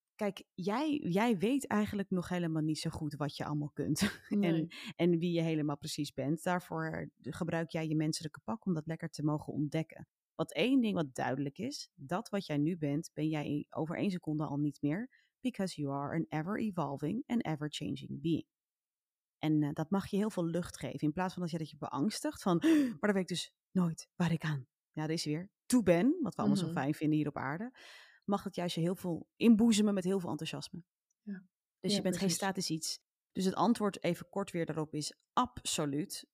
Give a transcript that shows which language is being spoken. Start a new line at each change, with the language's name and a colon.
Dutch: Kijk, jij weet eigenlijk nog helemaal niet zo goed wat je allemaal kunt. Nee. En wie je helemaal precies bent. Daarvoor gebruik jij je menselijke pak om dat lekker te mogen ontdekken. Want één ding wat duidelijk is, dat wat jij nu bent, ben jij over 1 seconde al niet meer.
English: Because you are an ever-evolving and ever-changing being.
Dutch: En dat mag je heel veel lucht geven. In plaats van dat je beangstigt van, maar dan weet ik dus nooit waar ik aan. Ja, dat is weer toe ben, wat we allemaal zo fijn vinden hier op aarde. Mag het juist je heel veel inboezemen met heel veel enthousiasme. Ja. Dus ja, je bent precies. Geen statisch iets. Dus het antwoord even kort weer daarop is absoluut.